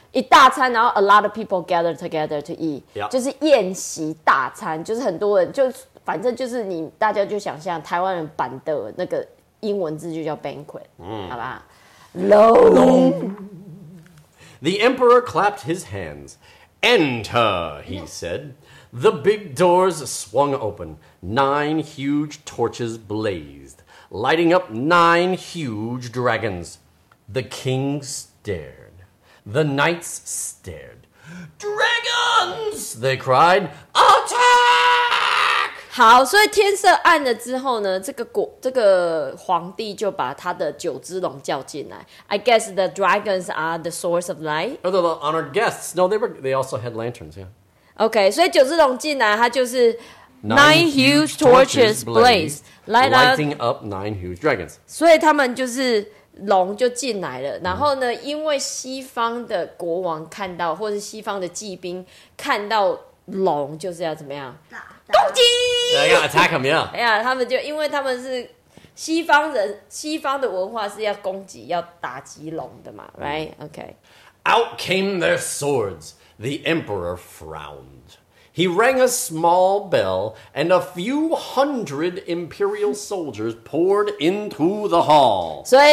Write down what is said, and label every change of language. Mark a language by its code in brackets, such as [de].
[zh] 一大餐，然后 [en] a lot of people gather together to eat， <Yeah. S [zh] 1> 就是宴席大餐，就是很多人，就反正就是你大家就想象台湾人板德那个英文字就叫 banquet， 好吧？ [en] Long. The emperor clapped his hands. Enter, he said. The big doors swung open. 9 huge torches blazed, lighting up 9 huge dragons. The king stared. The knights stared. Dragons! They cried. Attack! [zh] 好，所以天色暗了之后呢，这个皇帝就把他的九只龙叫进来。 [en] I guess the dragons are the source of light. Oh, the honored guests. No, they also had lanterns. Yeah. [zh] Okay, 所以九只龙进来，它就是 [en] nine huge torches blazed, lighting up 9 huge dragons. [zh] 所以他们就是。龙就进来了，然后呢，因为西方的国王看到，或者是西方的骑兵看到龙，就是要怎么样？攻击！要attack他们呀！哎呀，他们就因为他们是西方人，西方的文化是要攻击，要打击龙的嘛，right？OK. [en] Out came their swords. The emperor frowned. He rang a small bell, and a few hundred imperial soldiers poured into the hall.